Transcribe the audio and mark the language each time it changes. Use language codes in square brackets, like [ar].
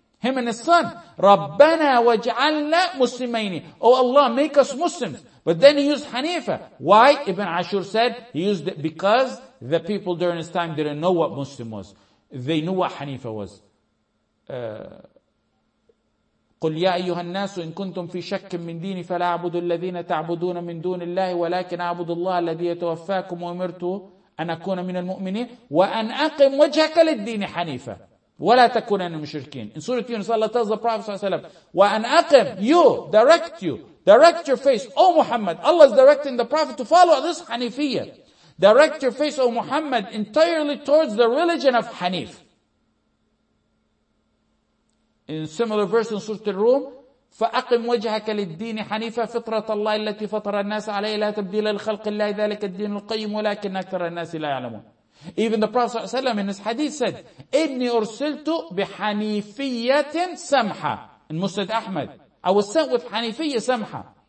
[en] Him and his son. [ar] رَبَّنَا وَجْعَلْنَا مُسْلِمَيْنِ. [en] Oh Allah, make us Muslims. But then he used Hanifa. Why? Ibn Ashur said he used it because the people during his time didn't know what Muslim was. They knew what Hanifa was. [ar] قُلْ يَا أَيُّهَا النَّاسُ إِن كُنْتُمْ فِي شَكٍّ مِّن دِينِ فَلَا أَعْبُدُ الَّذِينَ تَعْبُدُونَ مِّن دُونِ اللَّهِ وَلَكِنْ أَعْبُدُ اللَّهَ الَّذِي يَتَوَفَّاكُمْ وَأُمِرْتُ أن أكون من المؤمنين وأن أقم وجهك للدين حنيفة ولا تكون من المشركين. [en] In Surah Yunus, Allah tells the Prophet صلى الله عليه وسلم, [ar] وأن أقم, [en] you, direct your face, O Muhammad. Allah is directing the Prophet to follow this Hanifiyyah. Direct your face, O Muhammad, entirely towards the religion of Hanif. In similar verse in Surah Al-Rum, [ar] فَأَقِمْ وَجْهَكَ لِلدِّينِ حَنِيفًا فِطْرَةَ اللَّهِ الَّتِي فَطَرَ النَّاسَ عَلَيْهِ لَا تَبْدِيلَ لِخَلْقِ اللَّهِ ذَلِكَ الدِّينُ الْقَيِّمُ وَلَكِنَّ أَكْثَرَ النَّاسِ لَا يَعْلَمُونَ. [en] Even the Prophet ﷺ in his hadith said, [ar] إِنِّي أُرْسِلْتُ بِحَنِيفِيَّةٍ سَمْحَةٍ. [en] In Musnad Ahmad, I was sent with Hanifiyyah Samha.